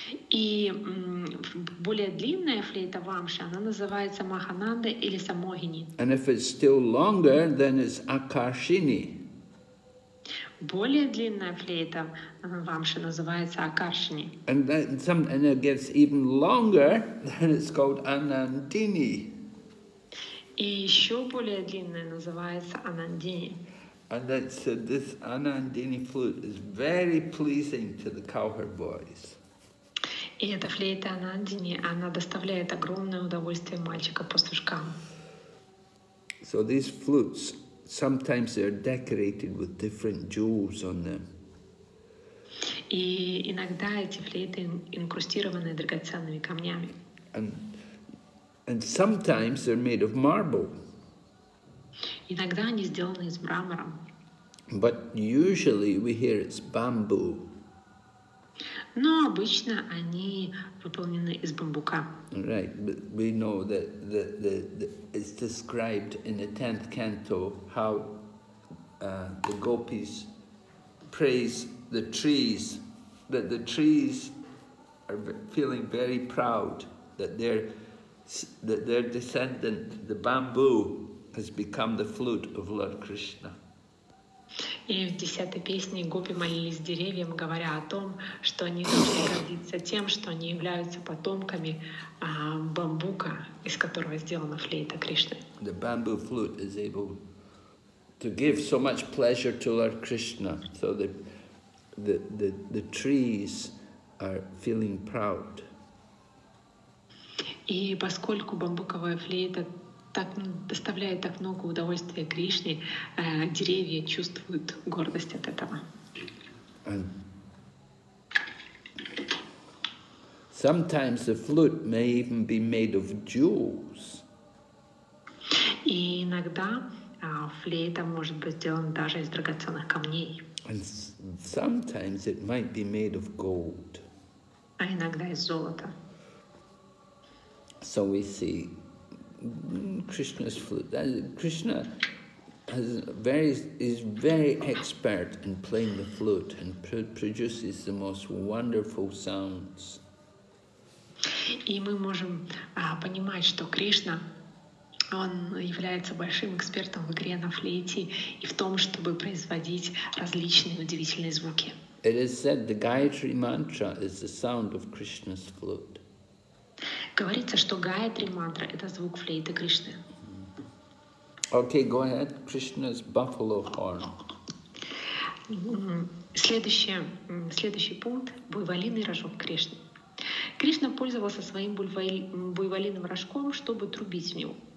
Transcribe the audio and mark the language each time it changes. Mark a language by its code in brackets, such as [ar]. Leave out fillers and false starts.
[ru] И более длинная флейта Вамши, она называется Махананда или Саммохини. [en] And if it's still longer, then it's Акаршини. [ru] Более длинная флейта Вамши называется Акаршини. [en] And it gets even longer, then it's called Анандини. [ru] И еще более длинная называется Анандини. [en] And that said, this Анандини flute is very pleasing to the cowherd boys. [ru] И эта флейта Анандини, она доставляет огромное удовольствие мальчикам-пастушкам. [en] So these flutes, sometimes they are decorated with different jewels on them. [ru] И иногда эти флейты инкрустированы драгоценными камнями. [en] And sometimes they're made of marble. [ru] Иногда они сделаны из мрамора. [en] But usually we hear it's bamboo. [ru] Но обычно они выполнены из бамбука. [en] Right, but we know that the it's described in the 10th canto how the gopis praise the trees, that the trees are feeling very proud that their descendant, the bamboo, has become the flute of Lord Krishna. [ru] И в 10-й песне гопи молились деревьям, говоря о том, что они должны гордиться тем, что они являются потомками бамбука, из которого сделана флейта Кришны. [en] The bamboo flute is able to give so much pleasure to Lord Krishna. So the trees are feeling proud. [ru] И поскольку бамбуковая флейта так доставляет так много удовольствия Кришне, деревья чувствуют гордость от этого. [en] And sometimes the flute may even be made of jewels. [ru] И иногда флейта может быть сделана даже из драгоценных камней. [en] And sometimes it might be made of gold. [ru] А иногда из золота. [en] So we see Krishna's flute. Krishna is very expert in playing the flute and produces the most wonderful sounds. [ru] И мы можем понимать, что Кришна, он является большим экспертом в игре на флейте и в том, чтобы производить различные удивительные звуки. [en] It is said the Gayatri mantra is the sound of Krishna's flute. [ru] Говорится, что Гаятри мантра — это звук флейты Кришны. [en] Okay, go ahead. Krishna's buffalo horn. [ru] Следующий пункт — буйволиный рожок Кришны. Кришна пользовался своим буйволиным рожком, чтобы трубить в него.